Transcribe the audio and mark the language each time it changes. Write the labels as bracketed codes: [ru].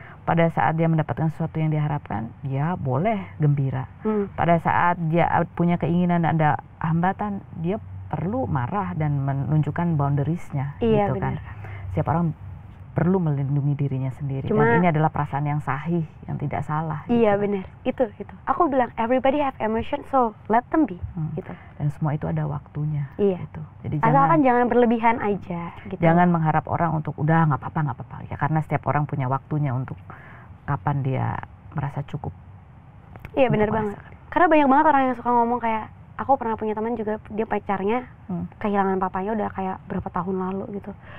[id] Pada saat dia mendapatkan sesuatu yang diharapkan, dia boleh gembira. Pada saat dia punya keinginan dan ada hambatan, dia perlu marah dan menunjukkan boundaries-nya, iya, gitu kan. Setiap orang perlu melindungi dirinya sendiri. Cuma, dan ini adalah perasaan yang sahih, yang tidak salah. Iya gitu. Benar, itu. Aku bilang [en] everybody have emotion, so let them be. [id] Gitu. Dan semua itu ada waktunya. Iya. Gitu. Jadi jangan berlebihan aja. Gitu. Jangan mengharap orang untuk udah nggak apa-apa. Ya karena setiap orang punya waktunya untuk kapan dia merasa cukup. Iya benar banget. Karena banyak banget orang yang suka ngomong kayak. Aku pernah punya teman juga, dia pacarnya kehilangan papanya udah kayak berapa tahun lalu gitu.